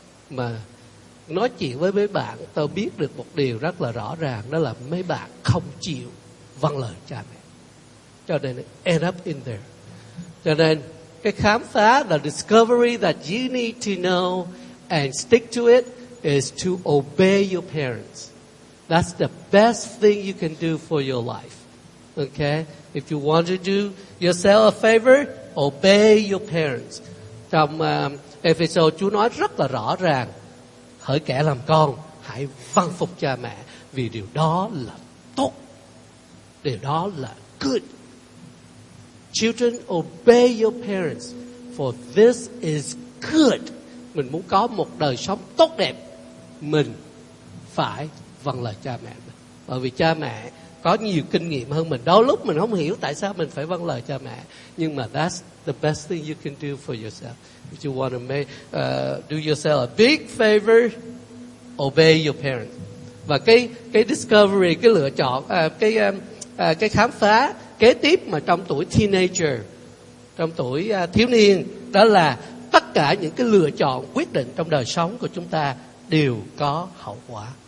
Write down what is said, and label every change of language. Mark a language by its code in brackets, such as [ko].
[vi] Mà nói chuyện với mấy bạn, tôi biết được một điều rất là rõ ràng, đó là mấy bạn không chịu vâng lời cha mẹ. Cho nên [en] end up in there. [vi] Cho nên cái khám phá, [en] the discovery that you need to know and stick to it, is to obey your parents. That's the best thing you can do for your life. Okay? If you want to do yourself a favor, obey your parents. [vi] Trong episode, Chúa nói rất là rõ ràng, hỡi kẻ làm con, hãy vâng phục cha mẹ, vì điều đó là tốt. Điều đó là [en] good. Children, obey your parents, for this is good. [vi] Mình muốn có một đời sống tốt đẹp, mình phải vâng lời cha mẹ. Bởi vì cha mẹ có nhiều kinh nghiệm hơn mình. Đôi lúc mình không hiểu tại sao mình phải vâng lời cha mẹ. Nhưng mà [en] that's the best thing you can do for yourself. If you want to do yourself a big favor, obey your parents. [vi] Và cái discovery, cái lựa chọn, cái khám phá kế tiếp mà trong tuổi teenager, trong tuổi thiếu niên, đó là tất cả những cái lựa chọn quyết định trong đời sống của chúng ta đều có hậu quả.